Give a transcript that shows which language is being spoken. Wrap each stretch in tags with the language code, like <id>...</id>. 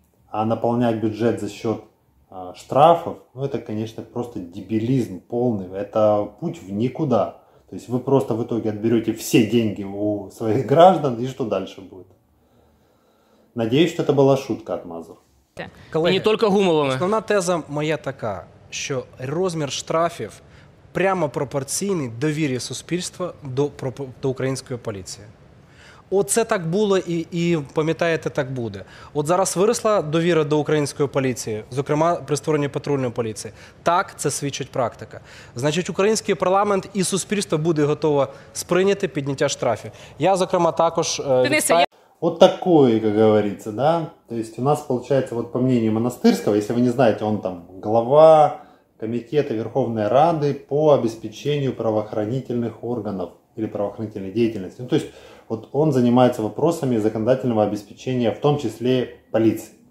<ru>А наполнять бюджет за счет штрафов, ну это, конечно, просто дебилизм полный. Это путь в никуда. То есть вы просто в итоге отберете все деньги у своих граждан, и что дальше будет? Надеюсь, что это была шутка от Мазур. Коллеги, и не только гумовыми.</ru> <uk>Основна теза моя така, що розмір штрафів прямо пропорційний довір'я суспільства до української поліції. Оце так було і пам'ятаєте, так буде. От зараз виросла довіра до української поліції, зокрема при створенні патрульної поліції. Так, це свідчить практика. Значить, український парламент і суспільство буде готове сприйняти підняття штрафів. Я, зокрема, також... От такої, як говориться, да? Тобто у нас, виходить, от</uk> <ru>по мнению Монастирського,</ru> <uk>якщо ви не знаєте, він там</uk> <ru>глава Комитета Верховной Рады по обеспечению правоохранительных органов или правоохранительной деятельности. Ну, то есть вот он занимается вопросами законодательного обеспечения, в том числе полиции.</ru>